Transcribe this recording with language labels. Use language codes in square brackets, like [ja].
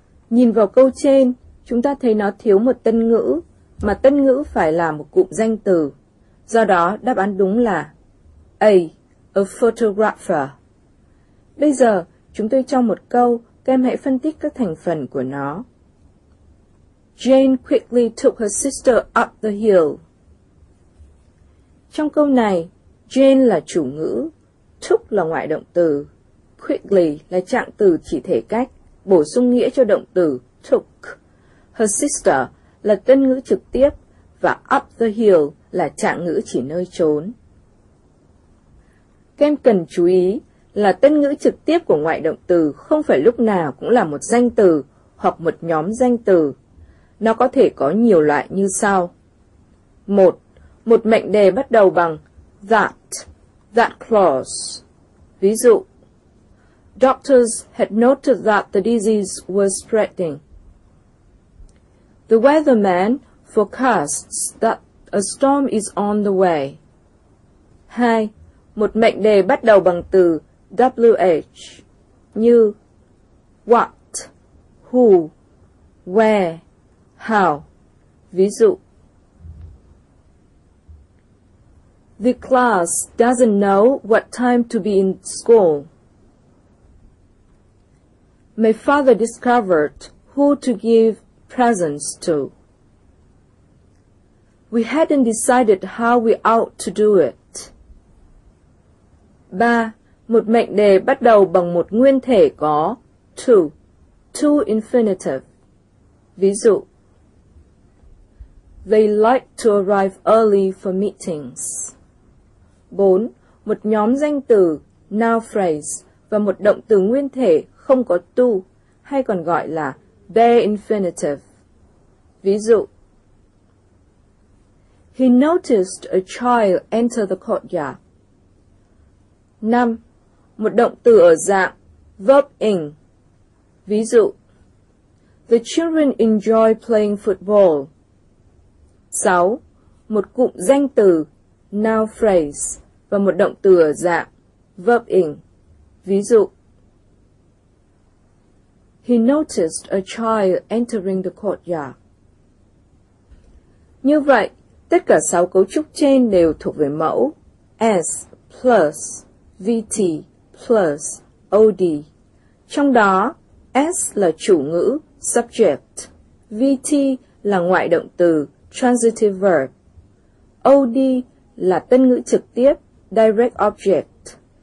[vi] Nhìn vào câu trên, chúng ta thấy nó thiếu một tân ngữ, mà tân ngữ phải là một cụm danh từ. Do đó, đáp án đúng là A. [en] A photographer. [vi] Bây giờ, chúng tôi cho một câu, các em hãy phân tích các thành phần của nó. [en] Jane quickly took her sister up the hill. [vi] Trong câu này, Jane là chủ ngữ, took là ngoại động từ, quickly là trạng từ chỉ thể cách, bổ sung nghĩa cho động từ took. [en] Her sister [vi] là tân ngữ trực tiếp và [en] up the hill [vi] là trạng ngữ chỉ nơi trốn. Các em cần chú ý là tân ngữ trực tiếp của ngoại động từ không phải lúc nào cũng là một danh từ hoặc một nhóm danh từ. Nó có thể có nhiều loại như sau. Một, một mệnh đề bắt đầu bằng that clause. Ví dụ, [en] doctors had noted that the disease was spreading. The weatherman forecasts that a storm is on the way. [vi] Hai, một mệnh đề bắt đầu bằng từ WH như what, who, where, how. Ví dụ, [en] the class doesn't know what time to be in school. My father discovered who to give presents to. We hadn't decided how we ought to do it. 3. [vi] Một mệnh đề bắt đầu bằng một nguyên thể có to infinitive. Ví dụ, [en] they like to arrive early for meetings. 4. [vi] Một nhóm danh từ, noun phrase, và một động từ nguyên thể không có to, hay còn gọi là bare infinitive. Ví dụ, [en] he noticed a child enter the courtyard. 5. [vi] Một động từ ở dạng verb-ing. Ví dụ, [en] the children enjoy playing football. [vi] 6. Một cụm danh từ, noun phrase, và một động từ ở dạng verb-ing. Ví dụ, [en] he noticed a child entering the courtyard. [vi] Như vậy, tất cả 6 cấu trúc trên đều thuộc về mẫu S plus VT plus OD. Trong đó, S là chủ ngữ, subject, VT là ngoại động từ, transitive verb, OD là tân ngữ trực tiếp, direct object.